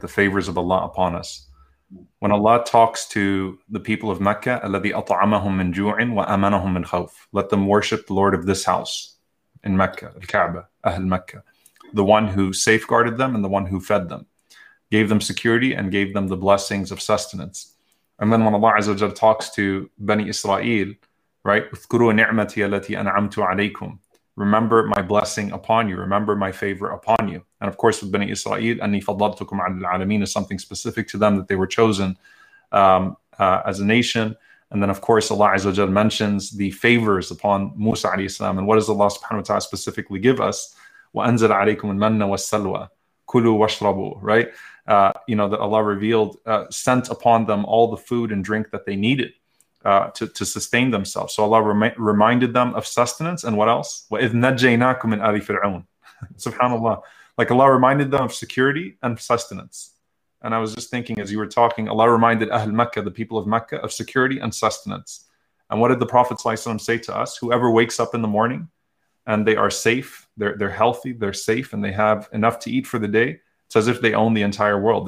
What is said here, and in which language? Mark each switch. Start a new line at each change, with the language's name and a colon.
English: The favors of Allah upon us. When Allah talks to the people of Mecca,
Arabic: الَّذِي أَطْعَمَهُمْ مِنْ جُوعٍ وَأَمَنَهُمْ مِنْ خَوْفٍ,
English: let them worship the Lord of this house in Mecca, Al-Kaaba, Ahl Mecca, the one who safeguarded them and the one who fed them, gave them security and gave them the blessings of sustenance. And then when Allah Azza wa Jalla talks to Bani Israel, right?
Arabic: اذكروا نعمتي التي أنعمت عليكم.
English: Remember my blessing upon you. Remember my favor upon you. And of course, with Bani Israel,
Arabic: أني فضلتكم على العالمين
English: is something specific to them, that they were chosen as a nation. And then of course, Allah Azza wa Jalla mentions the favors upon Musa alayhi salam. And what does Allah subhanahu wa ta'ala specifically give us?
Arabic: وَأَنزَلَ عَلَيْكُمُ الْمَنَّ وَالسَّلْوَى كُلُوا وَاشْرَبُوا, right?
English: That Allah revealed, sent upon them all the food and drink that they needed to sustain themselves. So Allah reminded them of sustenance, and what else?
Arabic: وَإِذْ نَجَّيْنَاكُمْ مِنْ آلِ فِرْعَوْنَ Subhanallah.
English: Like Allah reminded them of security and sustenance. And I was just thinking as you were talking, Allah reminded Ahl Mecca, the people of Mecca, of security and sustenance. And what did the Prophet say to us? Whoever wakes up in the morning and they are safe, they're healthy, they're safe, and they have enough to eat for the day, it's as if they own the entire world.